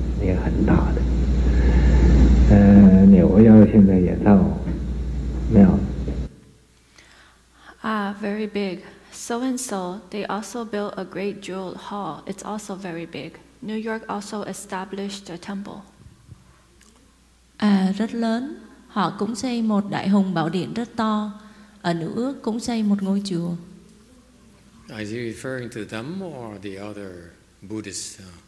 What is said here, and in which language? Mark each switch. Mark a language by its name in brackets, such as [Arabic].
[Chinese] 也很大的，纽约现在也造庙。 [English] very big. So in Seoul, they also built a great jewel hall. It's also very big. New York also established a temple. [Vietnamese] Rất lớn. Họ cũng xây một đại hùng bảo điện rất to. Ở New York cũng xây một ngôi chùa. [English] Are you referring to them or the other Buddhist?